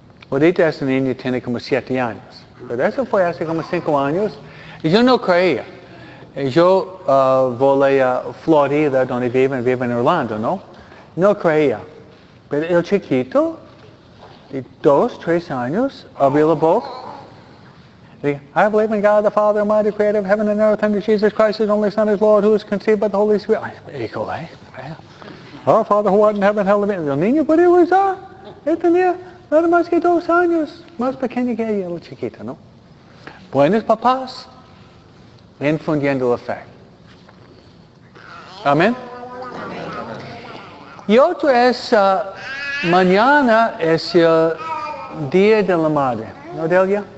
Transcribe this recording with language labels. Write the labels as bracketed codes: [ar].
[es] Ahorita ese niño tiene como 7 años. Pero eso fue hace como 5 años. Y yo no creía. Yo volé a Florida, donde vive en Orlando, ¿no? No creía. Pero el chiquito, de 2-3 años, abrió la boca. [en] Dice, I believe in God, the Father, Almighty, Creator of heaven and earth, and Jesus Christ, His only Son, His Lord, who is conceived by the Holy Spirit. [es] Híjole, ¿eh? [en] Our Father, who art in heaven, hell, and earth. [es] El niño podía rezar. Este niño. Nada más que 2 años, más pequeño que ella, la chiquita, ¿no? Buenos papás, infundiendo la fe. ¿Amén? Y otro es, mañana es el Día de la Madre. ¿No, Delia?